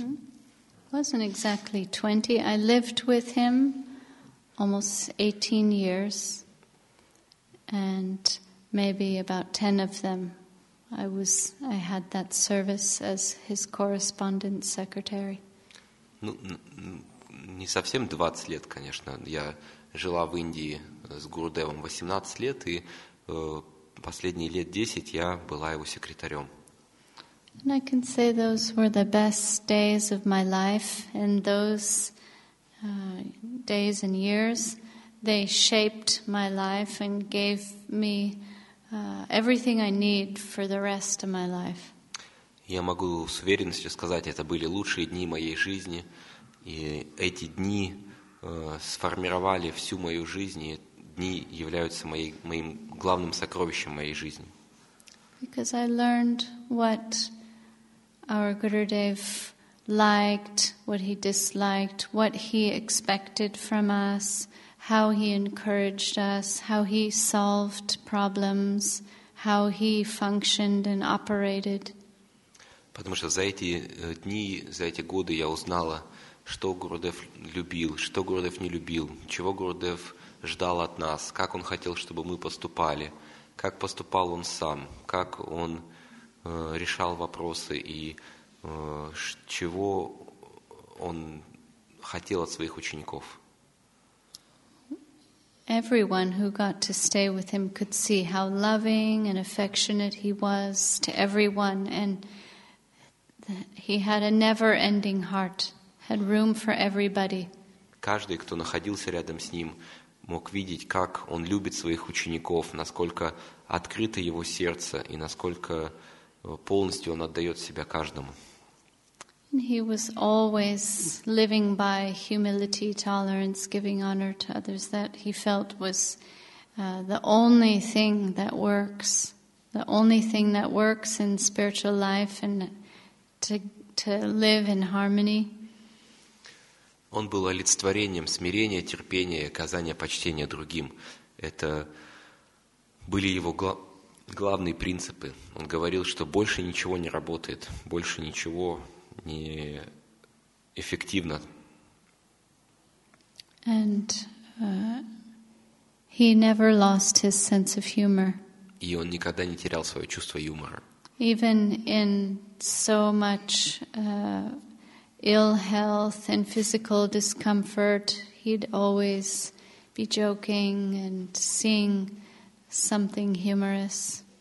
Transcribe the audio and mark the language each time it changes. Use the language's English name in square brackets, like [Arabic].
[English] Mm-hmm. Wasn't exactly 20. I lived with him almost 18 years, and maybe about 10 of them. I had that service as his correspondent secretary. [Russian] Ну, не совсем 20 лет, конечно. Я жила в Индии с Гурудевом 18 лет, и последние лет 10 я была его секретарем. [English] And I can say those were the best days of my life, and those days and years, they shaped my life and gave me everything I need for the rest of my life. [Russian] Я могу с уверенностью сказать, это были лучшие дни моей жизни, и эти дни сформировали всю мою жизнь, и дни являются моим главным сокровищем моей жизни. [English] Because I learned what our Gurudev liked, what he disliked, what he expected from us, how he encouraged us, how he solved problems, how he functioned and operated. [Russian] Потому что за эти дни, за эти годы я узнала, что Гурудев любил, что Гурудев не любил, чего Гурудев ждал от нас, как он хотел, чтобы мы поступали, как поступал он сам, как он решал вопросы и чего он хотел от своих учеников. [English] Everyone who got to stay with him could see how loving and affectionate he was to everyone, and he had a never-ending heart, had room for everybody. [Russian] Каждый, кто находился рядом с ним, мог видеть, как он любит своих учеников, насколько открыто его сердце и насколько полностью он отдает себя каждому. [English] He was always living by humility, tolerance, giving honor to others. That he felt was the only thing that works. The only thing that works in spiritual life and to live in harmony. [Russian] Он был олицетворением смирения, терпения, оказания почтения другим. Это были его главные принципы. Он говорил, что больше ничего не работает, больше ничего не эффективно. [English] And he never lost his sense of humor. [Russian] И он никогда не терял свое чувство юмора. [English] Even in so much ill health and physical discomfort, he'd always be joking and seeing something humorous.